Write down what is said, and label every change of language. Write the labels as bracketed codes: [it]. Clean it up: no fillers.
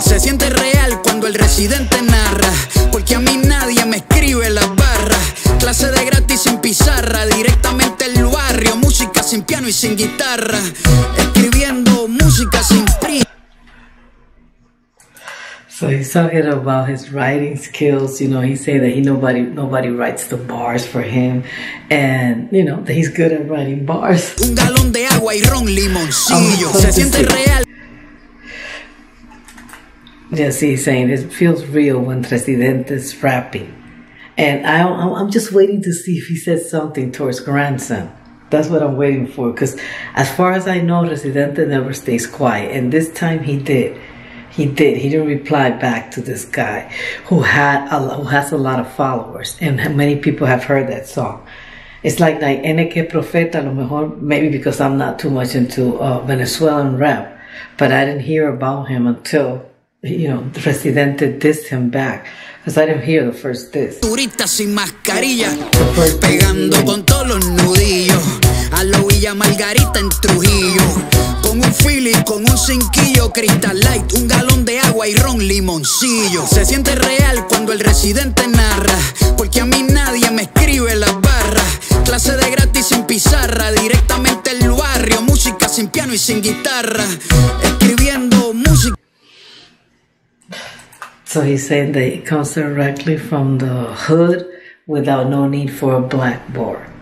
[es] Se siente real cuando el residente narra, porque a mí nadie me escribe las barras. Clase de gratis sin pizarra, directamente el barrio, música sin piano y sin guitarra, escribiendo música sin print. [en] So he's talking about his writing skills. You know, he said that nobody writes the bars for him, and you know that he's good at writing bars. [es] Un galón de agua y ron limoncillo. Se siente real. [en] Yes, he's saying it feels real when Residente's rapping, and I'm just waiting to see if he says something towards Grandson. That's what I'm waiting for, because as far as I know, Residente never stays quiet, and this time he did. He didn't reply back to this guy who has a lot of followers, and many people have heard that song. It's like NK Profeta, [es] lo mejor, [en] maybe because I'm not too much into Venezuelan rap, but I didn't hear about him until, you know, the Residente dissed him back, because I didn't hear the first diss. [es] Turista sin mascarilla, pegando con todos los nudillos, a la Villa Margarita en Trujillo. Con un Philly, con un cinquillo, Crystal Light, un galón de agua y ron limoncillo. Se siente real cuando el residente narra, porque a mí nadie me escribe las barras. Clase de gratis sin pizarra, directamente el barrio, música sin piano y sin guitarra, escribiendo música. [en] So he's saying that it comes directly from the hood without no need for a blackboard.